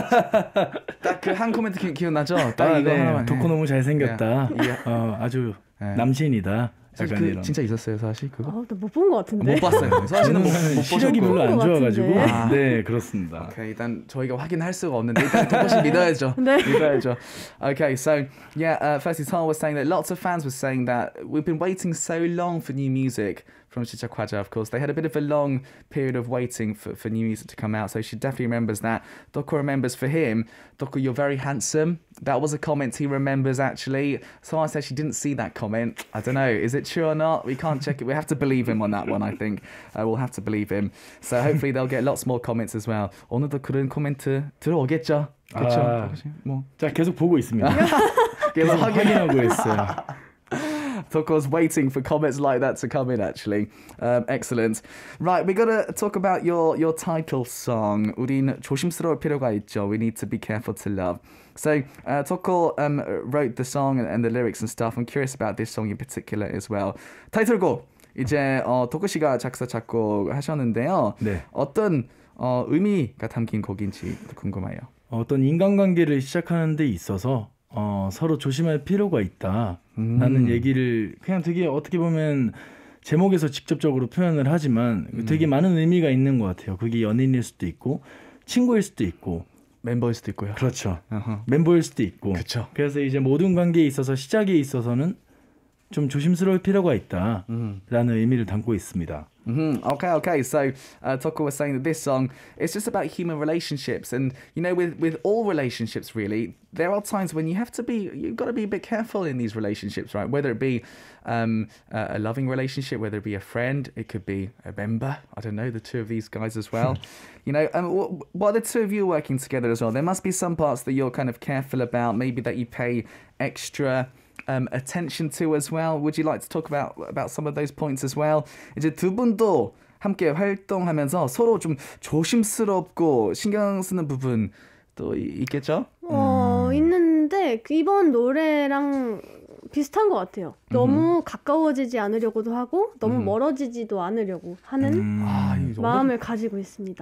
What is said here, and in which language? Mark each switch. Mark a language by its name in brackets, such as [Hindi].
[Korean] 딱 그 한 코멘트 기억나죠? 딱 이거 네. 하나만. 도코 너무 잘생겼다. 아주 남신이다. 그 진짜 있었어요 사실 그거? 나 못 본 것 같은데. 못 봤어요. 사실은 시력이 별로 안 좋아가지고. 아, 네 그렇습니다. 오케이, 일단 저희가 확인할 수가 없는데 일단 도코씨 믿어야죠. 네. 믿어야죠. [English] Okay, so yeah, firstly, Tal was saying that lots of fans were saying that we've been waiting so long for new music from Shicha Kwaja. Of course, they had a bit of a long period of waiting for new music to come out. So she definitely remembers that. Doko remembers for him. Doko, you're very handsome. That was a comment he remembers, actually. Someone said she didn't see that comment. I don't know. Is it true or not? We can't check it. We have to believe him on that one, I think. We'll have to believe him. So hopefully they'll get lots more comments as well. [Korean] 오늘도 그런 코멘트 들어오겠죠? 그렇죠? 뭐. 자, 계속 보고 있습니다. 계속 확인하고 있어요. [English] Toko's waiting for comments like that to come in, actually. Excellent. Right, we're going to talk about your title song. [Korean] 우린 조심스러울 필요가 있죠. [English] We need to be careful to love. So, Toko wrote the song and the lyrics and stuff. I'm curious about this song in particular as well. [Korean] 타이틀곡, 이제 Toko 씨가 작사, 작곡 하셨는데요. 네. 어떤 의미가 담긴 곡인지 궁금해요. 어떤 인간관계를 시작하는 데 있어서 서로 조심할 필요가 있다. 라는 얘기를 그냥 되게 어떻게 보면 제목에서 직접적으로 표현을 하지만 되게 많은 의미가 있는 것 같아요. 그게 연인일 수도 있고 친구일 수도 있고 멤버일 수도 있고요. 그렇죠. 멤버일 수도 있고. 그렇죠. 그래서 이제 모든 관계에 있어서 시작에 있어서는 좀 조심스러울 필요가 있다라는 의미를 담고 있습니다. [English] Okay, okay. So Toko was saying that this song is just about human relationships, and you know, with all relationships, really, there are times when you have to be, you've got to be a bit careful in these relationships, right? Whether it be a loving relationship, whether it be a friend, it could be a member. I don't know, the two of these guys as well. You know, while the two of you are working together as well, there must be some parts that you're kind of careful about, maybe that you pay extra attention to as well. Would you like to talk about some of those points as well? [Korean] 이제 두 분도 함께 활동하면서 서로 좀 조심스럽고 신경 쓰는 부분 또 있겠죠? 있는데 이번 노래랑 비슷한 것 같아요. 너무 가까워지지 않으려고도 하고 너무 멀어지지도 않으려고 하는 마음을 가지고 있습니다.